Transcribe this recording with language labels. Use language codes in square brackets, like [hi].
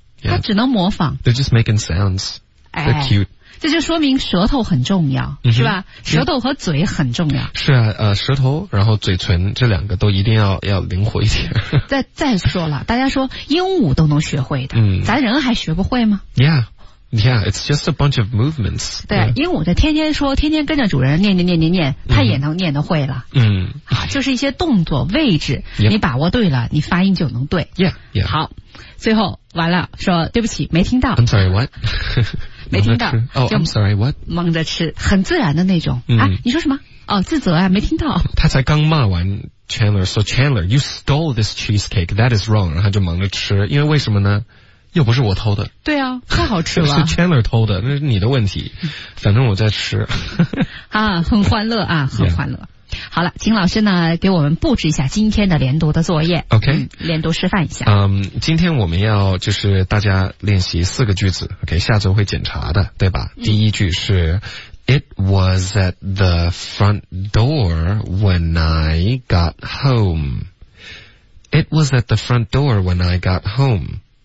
[zh] 它只能模仿。 [en] They're just making sounds. They're cute。 [zh] 这就说明舌头很重要，是吧？舌头和嘴很重要。是啊，舌头然后嘴唇这两个都一定要灵活一点。再说了，大家说鹦鹉都能学会的，嗯，咱人还学不会吗？ [en] Yeah， yeah， it's just a bunch of movements。 [zh] 对，鹦鹉在天天说，天天跟着主人念念念念念，它也能念得会了。嗯，就是一些动作位置，你把握对了，你发音就能对。 [en] Yeah， yeah。 [zh] 好，最后完了，说对不起，没听到。 [en] I'm sorry, what？ [zh] 没听到。 [en] Oh, I'm sorry, what？ [zh] 蒙着吃，很自然的那种。嗯，啊，你说什么？哦，自责啊，没听到。他才刚骂完 Chandler， 说 Chandler, [en] you stole this cheesecake, that is wrong， [zh] 然后就蒙着吃，因为为什么呢？又不是我偷的。对啊，太好吃了。是 Chandler 偷的，那是你的问题。反正我在吃。啊，很欢乐啊，很欢乐。 [en] Yeah。 [zh] 好了，请老师呢给我们布置一下今天的连读的作业。 [en] OK， [zh] 嗯，连读示范一下。今天我们要就是大家练习四个句子。 [en] OK， [zh] 下周会检查的，对吧？ [en] 第一句是，It was at the front door when I got home. It was at the front door when I got home.